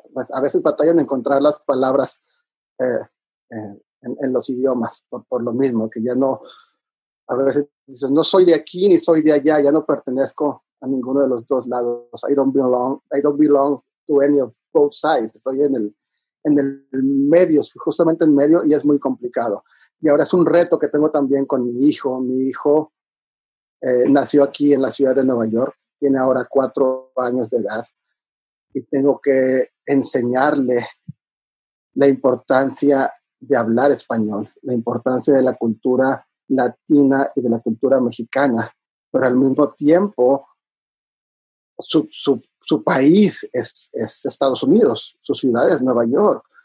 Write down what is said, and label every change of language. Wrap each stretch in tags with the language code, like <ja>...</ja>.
<es>Pues a veces batallan en encontrar las palabras en los idiomas por lo mismo, que ya no, a veces dices, no soy de aquí ni soy de allá, ya no pertenezco a ninguno de los dos lados.</es> <en>I don't belong to any of both sides.</en> <es>Estoy en el medio, justamente en medio, y es muy complicado. Y ahora es un reto que tengo también con mi hijo. Mi hijo nació aquí en la ciudad de Nueva York, tiene ahora 4 años de edad, y tengo que enseñarle la importancia de hablar español, la importancia de la cultura latina y de la cultura mexicana, pero al mismo tiempo su país es Estados Unidos, su ciudad es Nueva York.</es>